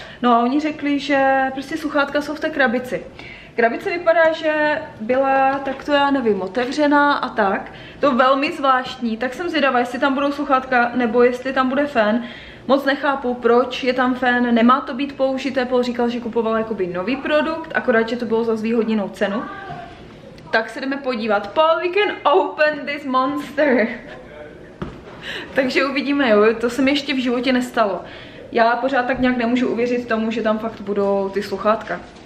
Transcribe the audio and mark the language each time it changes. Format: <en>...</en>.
<cs>No a oni řekli, že prostě sluchátka jsou v té krabici. Krabice vypadá, že byla takto, já nevím, otevřená a tak. To velmi zvláštní, tak jsem zvědavá, jestli tam budou sluchátka nebo jestli tam bude fen. Moc nechápu, proč je tam fen, nemá to být použité. Paul říkal, že kupoval jakoby nový produkt, akorát, že to bylo za zvýhodněnou cenu. Tak se jdeme podívat.</cs> <en>Paul, we can open this monster.</en> <cs>Takže uvidíme, jo. To se mi ještě v životě nestalo. Já pořád tak nějak nemůžu uvěřit tomu, že tam fakt budou ty sluchátka.</cs>